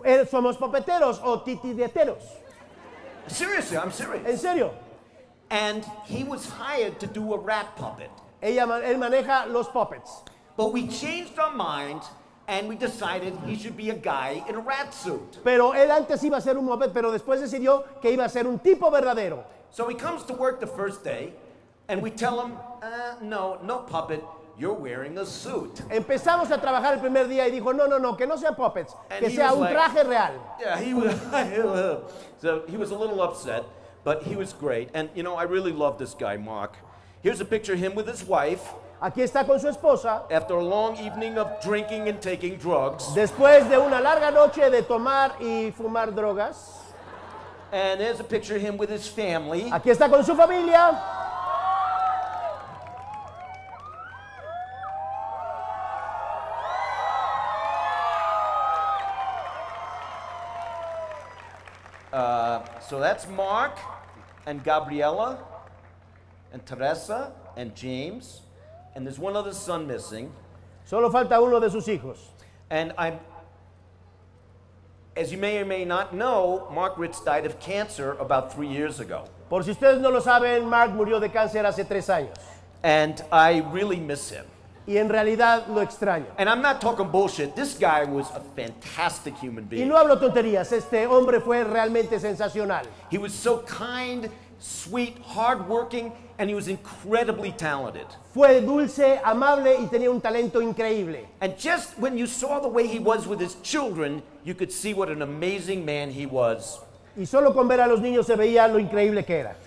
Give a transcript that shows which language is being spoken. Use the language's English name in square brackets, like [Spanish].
[Spanish] Somos puppeteros o titideteros. [English] Seriously, I'm serious. [Spanish] En serio. [English] And he was hired to do a rat puppet. [Spanish] Él maneja los puppets. [English] But we changed our mind and we decided he should be a guy in a rat suit. [Spanish] Pero él antes iba a ser un puppet, pero después decidió que iba a ser un tipo verdadero. [English] So he comes to work the first day and we tell him, no puppet, you're wearing a suit. [Spanish] Empezamos a trabajar el primer día y dijo, no, que no sea puppets, que sea un traje real. [English] Yeah, he was, so he was a little upset. But he was great, and you know, I really love this guy, Mark. Here's a picture of him with his wife. [Spanish] Aquí está con su esposa. [English] After a long evening of drinking and taking drugs. [Spanish] Después de una larga noche de tomar y fumar drogas. [English] And there's a picture of him with his family. [Spanish] Aquí está con su familia. [English] So that's Mark and Gabriela and Teresa and James, and there's one other son missing. [Spanish] Solo falta uno de sus hijos. [English] And I'm, as you may or may not know, Mark Ritz died of cancer about 3 years ago. [Spanish] Por si ustedes no lo saben, Mark murió de cáncer hace 3 años. [English] And I really miss him. [Spanish] Y en realidad lo extraño. [English] And I'm not talking bullshit. This guy was a fantastic human being. [Spanish] Y no hablo tonterías. Este hombre fue realmente sensacional. [English] He was so kind sweet, hardworking, and he was incredibly talented. [Spanish] Fue dulce, amable, y tenía un talento increíble. [English] And just when you saw the way he was with his children, you could see what an amazing man he was. [Spanish] Y solo con ver a los niños se veía lo increíble que era.